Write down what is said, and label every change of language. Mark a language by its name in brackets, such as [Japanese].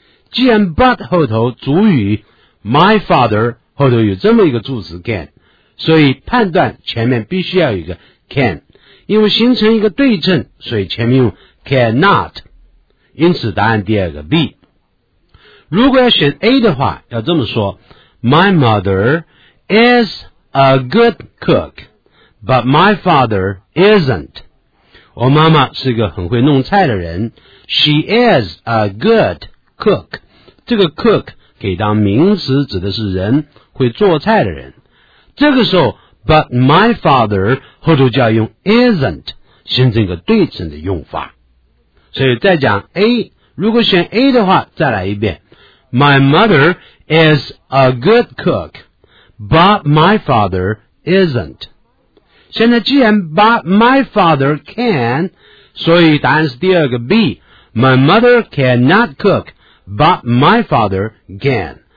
[Chinese] 既然 but 后头主语 my father 后头有这么一个助词 can， 所以判断前面必须要有一个 can， 因为形成一个对称，所以前面用cannot， 因此答案第二个 B。如果要选 A 的话要这么说， [English] My mother is a good cook but my father isn't。 [Chinese] 我妈妈是个很会弄菜的人。 [English] She is a good cook. [Chinese] 这个 cook 给当名词指的是人，会做菜的人。这个时候 [English] but my father [Chinese] 后头就要用 isn't 形成一个对称的用法。所以再讲 A， 如果选 A 的话再来一遍。 [English] My mother is a good cook, but my father isn't. [Chinese] 现在既然 [English] but my father can, [Chinese] 所以答案是第二个 B. [English] My mother cannot cook, but my father can.